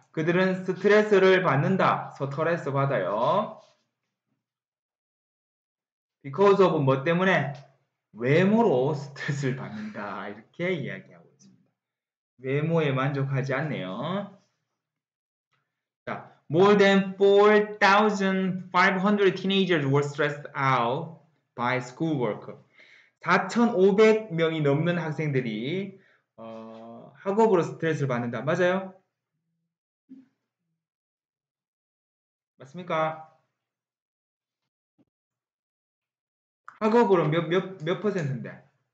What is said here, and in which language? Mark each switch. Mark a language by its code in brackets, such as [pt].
[ko] 그들은 스트레스를 받는다. 스트레스 받아요. Because of 뭐 때문에? 외모로 스트레스를 받는다. 이렇게 이야기하고 있습니다. 외모에 만족하지 않네요. [en] More than 4,500 teenagers were stressed out by schoolwork. [ko] 4,500명이 넘는 학생들이 학업으로 스트레스를 받는다. 맞아요? 맞습니까? 학업으로 몇 퍼센트인데?